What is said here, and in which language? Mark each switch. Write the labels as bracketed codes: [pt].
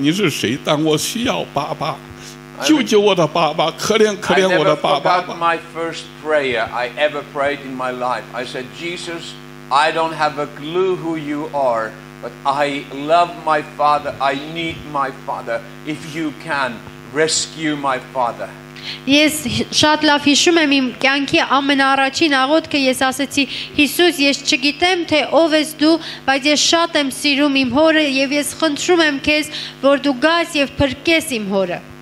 [zh] 我说耶稣啊，我不知道你是谁，但我需要爸爸。救救我的爸爸，可怜可怜我的爸爸。 [en] I never forgot my first prayer I ever prayed in my life. I said, Jesus, I don't have a clue who you are, but I love my father. I need my father. If you can, rescue my father. [hy] Ես շատ լավ հիշում եմ իմ կյանքի ամենաառաջին աղոթքը, ես ասացի, Հիսուս, ես չգիտեմ, թե ով ես դու, բայց ես շատ եմ սիրում իմ հորը եւ ես խնդրում եմ քեզ, որ դու գաս եւ փրկես իմ հորը։